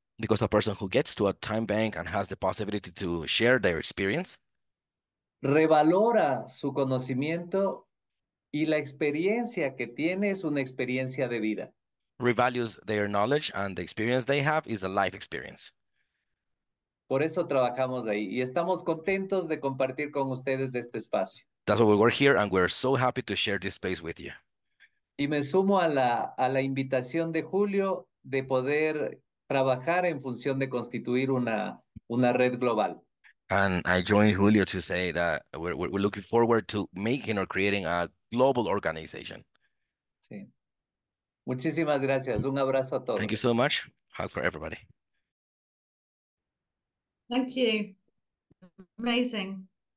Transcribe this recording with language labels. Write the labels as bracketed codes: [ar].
[en] Because a person who gets to a time bank and has the possibility to share their experience. [es] Revalora su conocimiento y la experiencia que tiene es una experiencia de vida. [en] Revalues their knowledge and the experience they have is a life experience. [es] Por eso trabajamos ahí y estamos contentos de compartir con ustedes de este espacio. [en] That's why we work here and we're so happy to share this space with you. [es] Y me sumo a la invitación de Julio de poder trabajar en función de constituir una red global. [en] And I join Julio to say that we're looking forward to making or creating a global organization. [es] Sí. Muchísimas gracias. Un abrazo a todos. [en] Thank you so much. Hug for everybody. Thank you. Amazing.